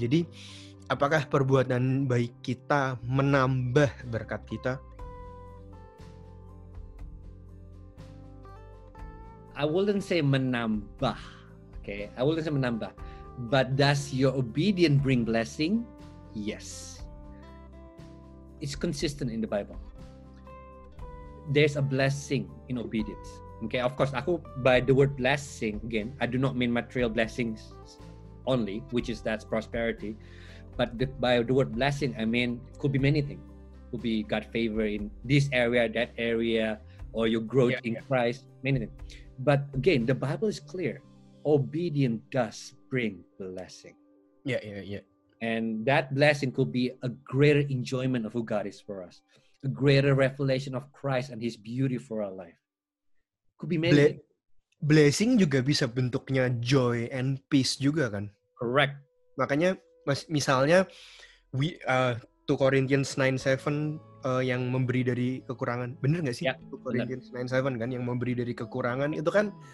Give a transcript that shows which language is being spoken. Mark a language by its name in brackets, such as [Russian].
[Indonesian] Jadi apakah perbuatan baik kita menambah berkat kita? [English] I wouldn't say menambah, okay? I wouldn't say menambah, but does your obedience bring blessing? Yes. It's consistent in the Bible. There's a blessing in obedience. Okay, of course, aku by the word blessing, again, I do not mean material blessings only, which is that's prosperity, but by the word blessing, I mean could be many things. Could be God favor in this area, that area, or your growth in Christ, many things. But again, the Bible is clear. Obedience does bring blessing. Yeah. And that blessing could be a greater enjoyment of who God is for us, a greater revelation of Christ and His beauty for our life. Could be many. [Indonesian] Blessing juga bisa bentuknya [English] joy and peace [Indonesian] juga kan? [English] Correct. [Indonesian] Makanya, misalnya, we 2 Corinthians 9:7 yang memberi dari kekurangan, benar nggak sih? Ya, 2 Corinthians 9:7 kan yang memberi dari kekurangan itu kan?